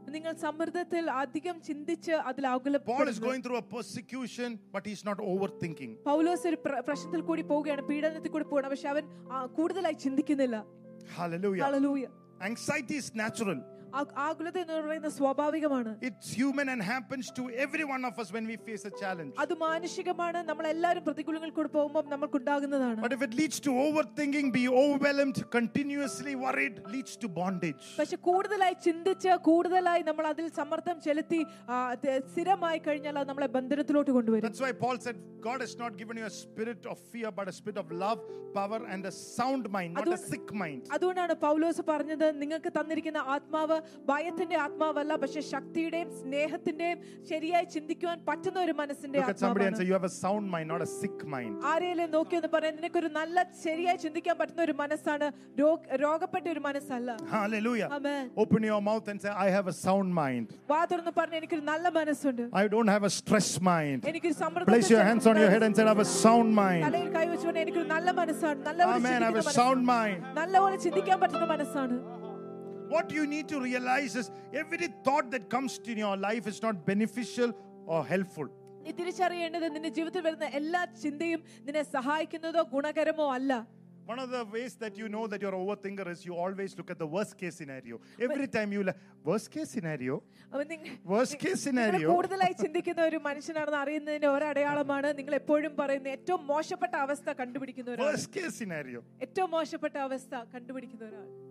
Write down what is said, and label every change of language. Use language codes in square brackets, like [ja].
[ml] നിങ്ങൾ സമ്മർദ്ദത്തിൽ അധികം ചിന്തിച്ച് അതിൽ ആകുലപ്പെടുന്നു [en] Paul is going through a persecution but he's not overthinking [ml] പൗലോസ് ഒരു പ്രശ്നത്തിൽ കൂടി പോവുകയാണ് പീഡനത്തിൽ കൂടി പോവുകയാണ് പക്ഷേ അവൻ കൂടുതലായി ചിന്തിക്കുന്നില്ല [en] hallelujah anxiety is natural [ml] ആകുലത എന്ന് പറയുന്ന സ്വാഭാവികമാണ്. [en] It's human and happens to every one of us when we face a challenge. [ml] അത് മാനുഷികമാണ്, നമ്മൾ എല്ലാവരും പ്രതികൂലങ്ങൾ കൂടി പോകുമ്പോൾ നമുക്ക് ഉണ്ടാകുന്നതാണ്. [en] But if it leads to overthinking, be overwhelmed, continuously worried, leads to bondage. [ml] പക്ഷേ കൂടുതലായി ചിന്തിച്ച് കൂടുതലായി നമ്മൾ അതിൽ സമ്മർദ്ദം ചെലുത്തി സ്ഥിരമായി കഴിഞ്ഞാൽ നമ്മളെ ബന്ധനത്തിലോട്ട് കൊണ്ടുവരും. [en] That's why Paul said God has not given you a spirit of fear but a spirit of love, power and a sound mind, not a sick mind. [ml] അതുകൊണ്ടാണ് പൗലോസ് പറഞ്ഞത്, നിങ്ങൾക്ക് തന്നിരിക്കുന്ന ആത്മാവ് ഭയത്തിന്റെ ആത്മാവല്ല, പക്ഷേ ശക്തിയുടെയും സ്നേഹത്തിന്റെയും ശരിയായി ചിന്തിക്കുവാൻ പറ്റുന്ന ഒരു മനസ്സിന്റെ ആത്മാവാണ്. [en] You have a sound mind, not a sick mind. [ml] ആരെയെങ്കിലും നോക്കി ഒന്ന് പറയാൻ, നിനക്ക് ഒരു നല്ല ശരിയായി ചിന്തിക്കാൻ പറ്റുന്ന ഒരു മനസ്സാണ്, രോഗപ്പെട്ട ഒരു മനസ്സല്ല. [en] Hallelujah. Amen. Open your mouth and say, I have a sound mind. [ml] വാ തുറന്ന് പറഞ്ഞ, എനിക്ക് ഒരു നല്ല മനസ്സുണ്ട്. [en] I don't have a stress mind. [ml] എനിക്ക് ഒരു സമ്മർദ്ദം. [en] Place your hands on your head and say, I have a sound mind. [ml] തലയിൽ കൈ വെച്ചോ, എനിക്ക് ഒരു നല്ല മനസ്സാണ്. [en] Amen. I have a sound mind. [ml] നല്ലപോലെ ചിന്തിക്കാൻ പറ്റുന്ന മനസ്സാണ്. [en] What you need to realize is every thought that comes to your life is not beneficial or helpful. [ml] നീ തിരിച്ചറിയേണ്ടത്, നിന്റെ ജീവിതത്തിൽ വരുന്ന എല്ലാ ചിന്തയും നിന്നെ സഹായിക്കുന്നതോ ഗുണകരമോ അല്ല. [en] One of the ways that you know that you're an overthinker is you always look at the worst case scenario. Every time you worst case scenario [ml] കൂടുതലായി ചിന്തിക്കുന്ന ഒരു മനുഷ്യനാണെന്ന് അറിയുന്നതിന്റെ ഒരു അടയാളമാണ് നിങ്ങൾ എപ്പോഴും പറയുന്ന ഏറ്റവും മോശപ്പെട്ട അവസ്ഥ കണ്ടുപിടിക്കുന്ന ഒരു [en] worst case scenario. [ml] ഏറ്റവും മോശപ്പെട്ട അവസ്ഥ കണ്ടുപിടിക്കുന്ന ഒരാൾ.